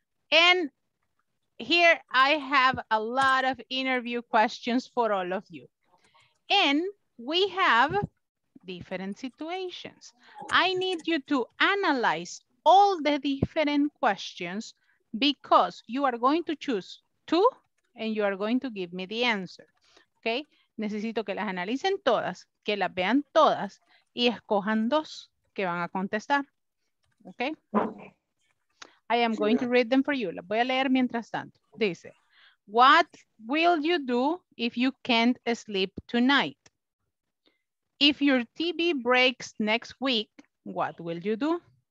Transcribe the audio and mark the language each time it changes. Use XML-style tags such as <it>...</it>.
<en>And here I have a lot of interview questions for all of you. And we have different situations. I need you to analyze all the different questions because you are going to choose two and you are going to give me the answer.</en> <es>Okay, necesito que las analicen todas, que las vean todas y escojan dos que van a contestar.</es> <en>Okay, I am going to read them for you.</en> <es>Las voy a leer mientras tanto. Dice,</es> <en>what will you do if you can't sleep tonight? If your TV breaks next week, what will you do?</en>